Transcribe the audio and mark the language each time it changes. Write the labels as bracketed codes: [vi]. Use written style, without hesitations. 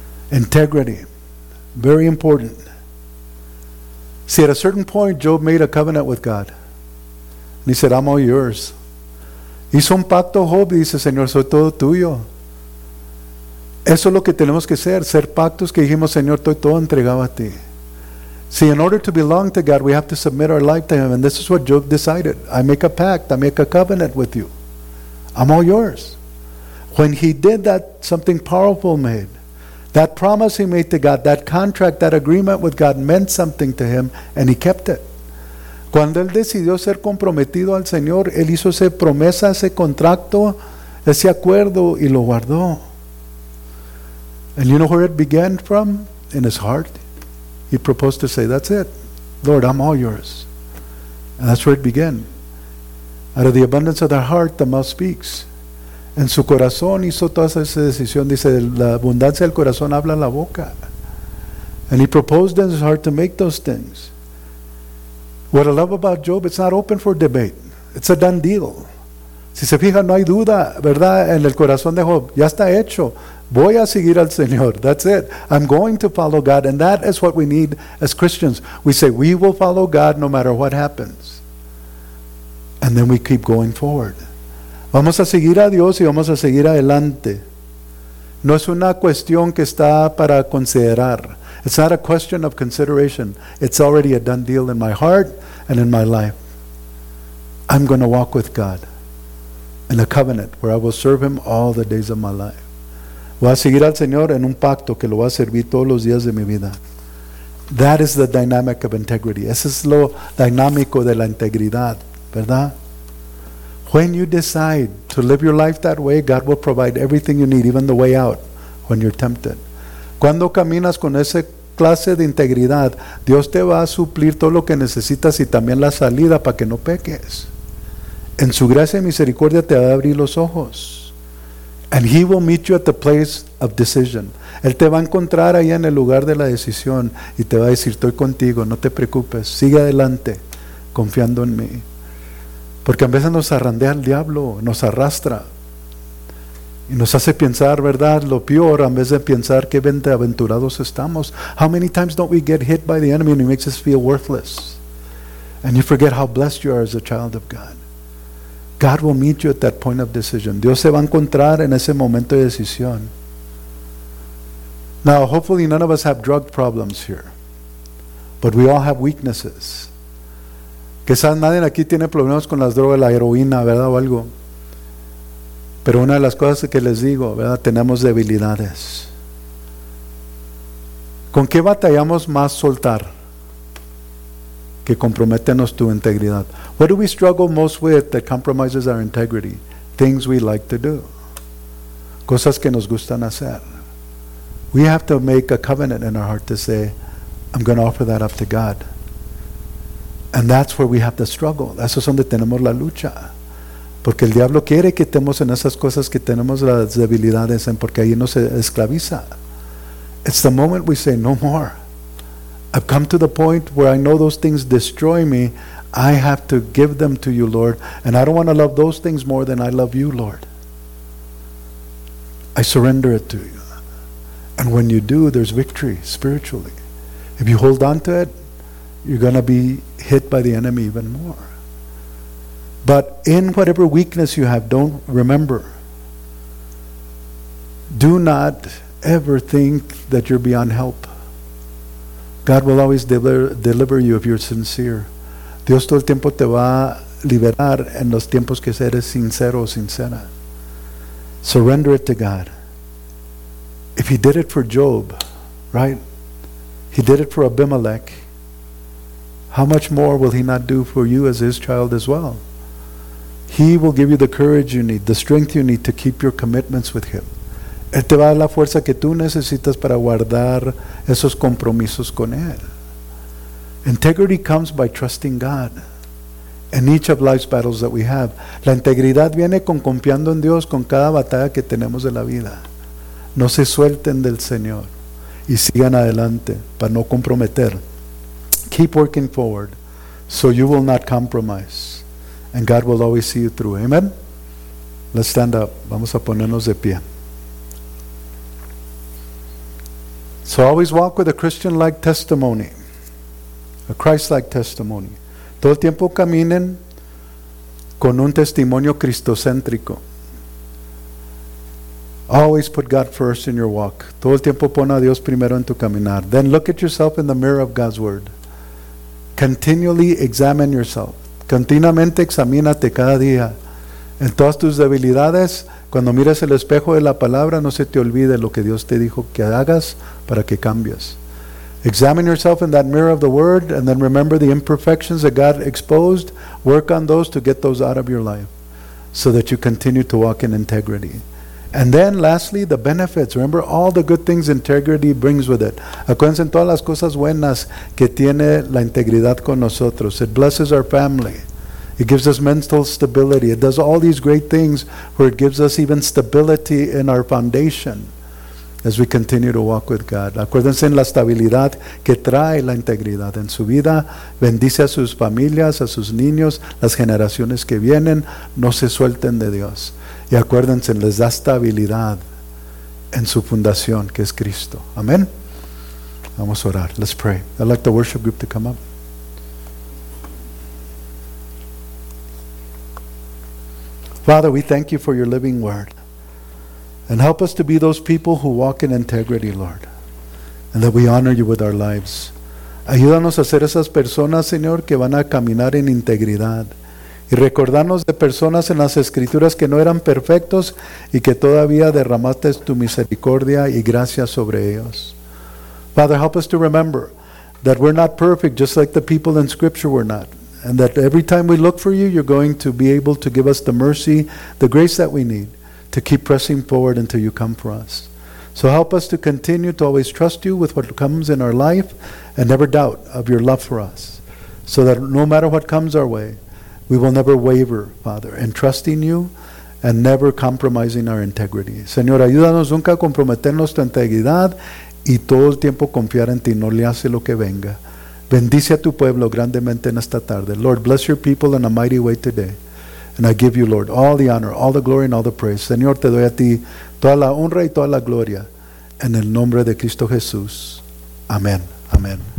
[en] Integrity, very important. See, at a certain point, Job made a covenant with God. And he said, I'm all yours. [es] Hizo un pacto, Job, y dice, Señor, soy todo tuyo. Eso es lo que tenemos que hacer, ser pactos que dijimos, Señor, estoy todo entregado a ti. [en] See, in order to belong to God, we have to submit our life to Him. And this is what Job decided. I make a pact, I make a covenant with you. I'm all yours. When he did that, something powerful made. That promise he made to God, that contract, that agreement with God meant something to him, and he kept it. [es] Cuando él decidió ser comprometido al Señor, él hizo esa promesa, ese contrato, ese acuerdo, y lo guardó. [en] And you know where it began from? In his heart. He proposed to say, that's it. Lord, I'm all yours. And that's where it began. Out of the abundance of the heart, the mouth speaks. [es] En su corazón hizo toda esa decisión. Dice, la abundancia del corazón habla la boca. [en] And he proposed in his heart to make those things. What I love about Job, it's not open for debate. It's a done deal. [es] Si se fija, no hay duda, ¿verdad? En el corazón de Job, ya está hecho. Voy a seguir al Señor. [en] That's it. I'm going to follow God. And that is what we need as Christians. We say, we will follow God no matter what happens. And then we keep going forward. [es] Vamos a seguir a Dios y vamos a seguir adelante. No es una cuestión que está para considerar. [en] It's not a question of consideration. It's already a done deal in my heart and in my life. I'm going to walk with God in a covenant where I will serve Him all the days of my life. [es] Voy a seguir al Señor en un pacto que lo voy a servir todos los días de mi vida. [en] That is the dynamic of integrity. [es] Ese es lo dinámico de la integridad, ¿verdad? [en] When you decide to live your life that way, God will provide everything you need, even the way out, when you're tempted. [es] Cuando caminas con esa clase de integridad, Dios te va a suplir todo lo que necesitas y también la salida para que no peques. En su gracia y misericordia te va a abrir los ojos. [en] And He will meet you at the place of decision. [es] Él te va a encontrar ahí en el lugar de la decisión y te va a decir, estoy contigo, no te preocupes, sigue adelante, confiando en mí. Porque a veces nos arrandea el diablo, nos arrastra. Y nos hace pensar, ¿verdad?, lo peor, en vez de pensar qué bienaventurados estamos. [en] How many times don't we get hit by the enemy and he makes us feel worthless? And you forget how blessed you are as a child of God. God will meet you at that point of decision. [es] Dios se va a encontrar en ese momento de decisión. [en] Now, hopefully none of us have drug problems here. But we all have weaknesses. [es] Quizás nadie aquí tiene problemas con las drogas, la heroína, ¿verdad? O algo. Pero una de las cosas que les digo, ¿verdad? Tenemos debilidades. ¿Con qué batallamos más soltar? que comprometemos tu integridad. [en] What do we struggle most with that compromises our integrity? Things we like to do. [es] Cosas que nos gustan hacer. [en] We have to make a covenant in our heart to say, I'm going to offer that up to God. And that's where we have the struggle. [es] Eso es donde tenemos la lucha. Porque el diablo quiere que estemos en esas cosas que tenemos las debilidades en, porque ahí nos esclaviza. [en] It's the moment we say, no more. I've come to the point where I know those things destroy me. I have to give them to you, Lord. And I don't want to love those things more than I love you, Lord. I surrender it to you. And when you do, there's victory spiritually. If you hold on to it, you're going to be hit by the enemy even more. But in whatever weakness you have, don't remember. Do not ever think that you're beyond help. God will always deliver you if you're sincere. [es] Dios todo el tiempo te va a liberar en los tiempos que eres sincero o sincera. [en] Surrender it to God. If he did it for Job, right? He did it for Abimelech. How much more will he not do for you as his child as well? He will give you the courage you need, the strength you need to keep your commitments with him. [es] Él te va a dar la fuerza que tú necesitas para guardar esos compromisos con él. [en] Integrity comes by trusting God in each of life's battles that we have. [es] La integridad viene con confiando en Dios con cada batalla que tenemos de la vida. No se suelten del Señor y sigan adelante para no comprometer. [en] Keep working forward so you will not compromise and God will always see you through. [es] Amen. [en] Let's stand up. [es] Vamos a ponernos de pie. [en] So always walk with a Christian-like testimony, a Christ-like testimony. [es] Todo el tiempo caminen con un testimonio cristocéntrico. [en] Always put God first in your walk. [es] Todo el tiempo pon a Dios primero en tu caminar. [en] Then look at yourself in the mirror of God's word. Continually examine yourself. [es] Continuamente examínate cada día. En todas tus debilidades, cuando mires el espejo de la palabra, no se te olvide lo que Dios te dijo que hagas para que cambies. [en] Examine yourself in that mirror of the word and then remember the imperfections that God exposed. Work on those to get those out of your life so that you continue to walk in integrity. And then lastly, the benefits. Remember all the good things integrity brings with it. [es] Acuérdense en todas las cosas buenas que tiene la integridad con nosotros. [en] It blesses our family. It gives us mental stability. It does all these great things where it gives us even stability in our foundation as we continue to walk with God. [es] Acuérdense en la estabilidad que trae la integridad en su vida. Bendice a sus familias, a sus niños, las generaciones que vienen. No se suelten de Dios. Y acuérdense, les da estabilidad en su fundación, que es Cristo. Amén. Vamos a orar. [en] Let's pray. I'd like the worship group to come up. Father, we thank you for your living word. And help us to be those people who walk in integrity, Lord. And that we honor you with our lives. [es] Ayúdanos a ser esas personas, Señor, que van a caminar en integridad. Y recordarnos de personas en las Escrituras que no eran perfectos y que todavía derramaste tu misericordia y gracia sobre ellos. [en] Father, help us to remember that we're not perfect, just like the people in Scripture were not. And that every time we look for you, you're going to be able to give us the mercy, the grace that we need to keep pressing forward until you come for us. So help us to continue to always trust you with what comes in our life and never doubt of your love for us. So that no matter what comes our way, we will never waver, Father, in trusting you and never compromising our integrity. [es] Señor, ayúdanos nunca a comprometer nuestra integridad y todo el tiempo confiar en ti, no le hace lo que venga. Bendice a tu pueblo grandemente en esta tarde. [en] Lord, bless your people in a mighty way today. And I give you, Lord, all the honor, all the glory, and all the praise. [es] Señor, te doy a ti toda la honra y toda la gloria. En el nombre de Cristo Jesús. Amén. Amén.